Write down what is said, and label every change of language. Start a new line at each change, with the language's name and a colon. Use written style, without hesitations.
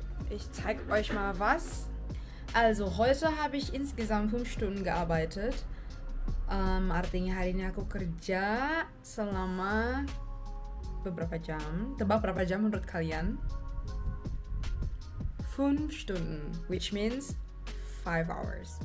German: Ich zeig euch mal was. Also, heute habe ich insgesamt 5 Stunden gearbeitet.
Indonesian: Artinya hari ini aku kerja selama beberapa jam. Tebak berapa jam menurut kalian?
German: 5 Stunden,
English: which means 5 hours.